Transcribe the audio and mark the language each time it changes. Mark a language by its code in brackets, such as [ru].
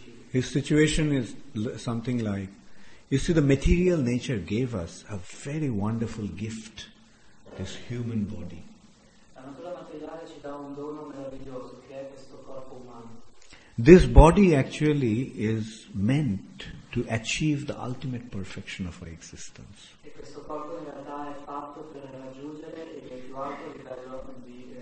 [en] His situation is something like, you see, the material nature gave us a very wonderful gift, this human body. [it] La natura materiale materiale ci dà un dono meraviglioso che è questo corpo umano. [en] This body actually is meant to achieve the ultimate perfection of our existence. [it] E questo corpo in realtà è fatto per raggiungere il più alto livello di